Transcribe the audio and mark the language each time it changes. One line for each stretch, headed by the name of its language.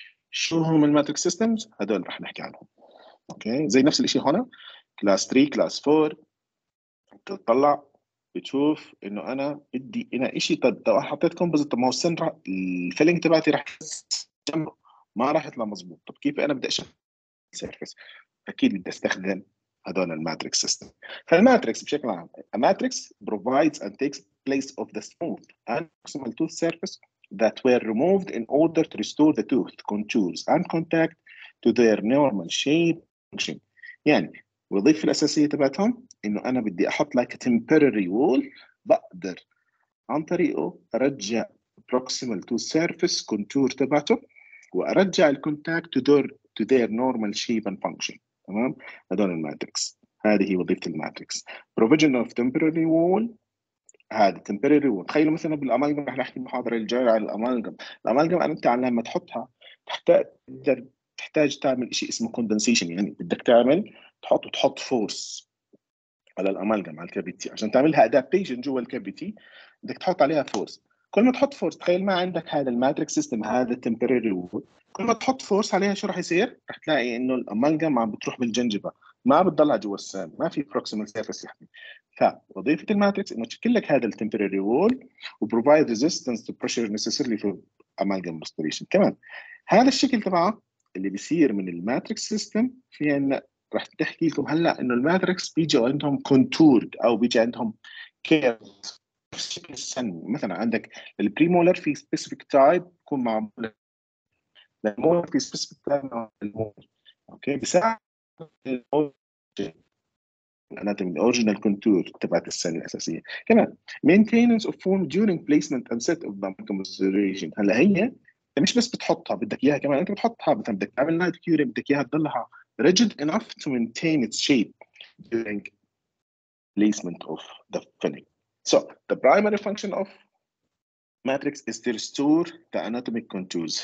Arabic: شو هم الماتريكس سيستمز؟ هذول رح نحكي عنهم. اوكي، زي نفس الاشي هون كلاس 3 كلاس 4 تطلع بتشوف انه انا بدي انا اشي طب حطيت كومبوزيت، طب ما هو السن الفيلنج تبعتي راح ما راح يطلع مظبوط، طب كيف انا بدي اشغل سيرفيس؟ اكيد بدي استخدم هذول الماتريكس سيستم. فالماتريكس بشكل عام الماتريكس
English: Provides and takes place of the smooth and proximal tooth surface that were removed in order to restore the tooth contours and contact to their normal shape function.
Arabic: يعني وظيفة الأساسية تبعتهم إنه أنا بدي أحط
English: like a temporary wall
Arabic: بقدر عن طريقه أرجع
English: proximal to surface contour
Arabic: تبعته وأرجع ال
English: contact to their normal shape and function.
Arabic: تمام؟ هذول الماتريكس. هذه هي وظيفة الماتريكس.
English: Provision of temporary wall
Arabic: هذا temporary wall. تخيلوا مثلا بالأمالجم، رح نحكي محاضرة الجاية على الأمالجم. الأمالجم أنت لما تحطها تحتاج تعمل شيء اسمه condensation، يعني بدك تعمل تحط وتحط فورس على الأمالجم على الكابيتي عشان تعملها adaptation جوا الكابيتي، بدك تحط عليها فورس. كل ما تحط فورس، تخيل ما عندك هذا الماتريك سيستم هذا temporary wall، كل ما تحط فورس عليها شو رح يصير؟ رح تلاقي إنه الأمالجم عم بتروح بالجنجبة، ما بتضلها جوا السن، ما في proximal surface يحمي. فوظيفة الماتريكس إنه تشكل لك هذا
English: temporary wall و provide resistance to pressure necessary for amalgam restoration.
Arabic: كمان هذا الشكل تبعه اللي بيصير من الماتريكس سيستم، في ان رح تحكي لكم هلا انه الماتريكس بيجي عندهم contoured او بيجي عندهم كيرف السن. مثلا عندك البريمولر في سبيسيفيك تايب بيكون معمول، المولر في سبيسيفيك تايب، اوكي بيساعد الاناتومي الاوريجينال كونتور تبعت السن الاساسيه.
English: كمان maintenance of form during placement and set of amalgam restoration.
Arabic: هلا هي انت مش بس بتحطها، بدك اياها كمان انت بتحطها مثلا بدك تعمل نايت كيور، بدك اياها تضلها
English: rigid enough to maintain its shape during placement of the filling. So the primary function of matrix is to restore the anatomic contours.